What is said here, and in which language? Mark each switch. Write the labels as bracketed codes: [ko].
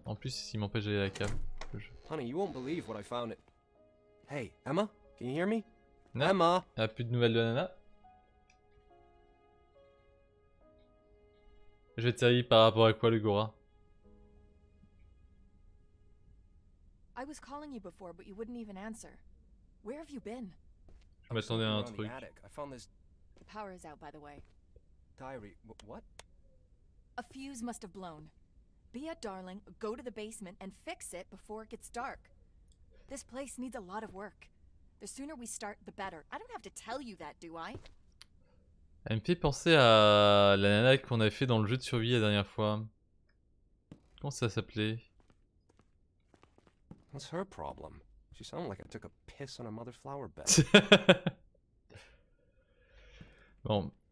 [fr] En plus, il m'empêche d'aller à la cave. [en] Honey, you won't believe what I found. Hey, Emma, can you hear me? [fr] Non. [en] Emma. [fr] Elle a plus de nouvelles de Nana. Je vais te servir par rapport à quoi, le Gora? [en] I was calling you before, but you wouldn't even answer. Where have you been? [fr] Je m'attendais à un truc. [en] I found this. The power is out, by the way. Diary. What? A fuse must have blown. Be a darling, go to the basement and fix it before it gets dark. This place needs a lot of work. The sooner we start, the better. I don't have to tell you that, do I? [fr] Elle me fait penser à la nana qu'on avait fait dans le jeu de survie la dernière fois. Comment ça s'appelait? [en] What's her problem? She sounded like I took a piss on a mother flower bed. [fr] Bon.